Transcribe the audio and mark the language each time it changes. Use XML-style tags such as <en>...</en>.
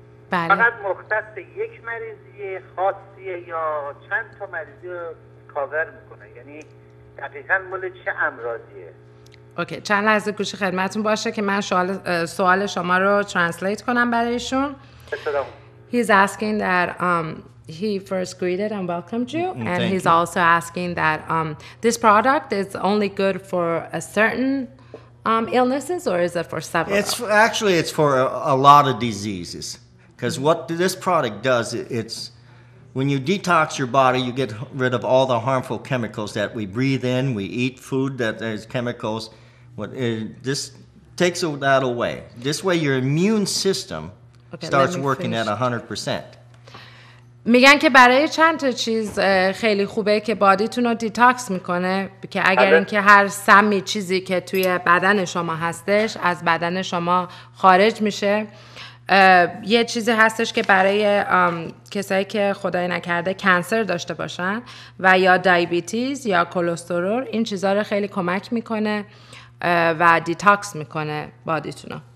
<fa>بله. فقط مختص یک مریضی خاصیه یا چند تا مریضی رو کاور می‌کنه؟ یعنی دقیقاً مال چه امراضیه؟ اوکی، چند لحظه گوش خدمتتون باشه که من سوال شما رو ترنسلیت کنم برای ایشون.</fa> <en>He's asking that he first greeted and welcomed you, and Thank he's you. Also asking that this product is only good for a certain illnesses, or is it for several? It's for a lot of diseases, because what this product does, it's when you detox your body, you get rid of all the harmful chemicals that we breathe in, we eat food that has chemicals. This takes that away. This way, your immune system starts working at 100%.</en> <fa>میگن که برای چند تا چیز خیلی خوبه که بادیتون رو دیتاکس میکنه، که اگر اینکه هر سمی چیزی که توی بدن شما هستش از بدن شما خارج میشه. یه چیزی هستش که برای کسایی که خدای نکرده کانسر داشته باشن و یا دیابتیز یا کلسترول، این چیزا رو خیلی کمک میکنه و دیتاکس میکنه بادیتون رو.</fa>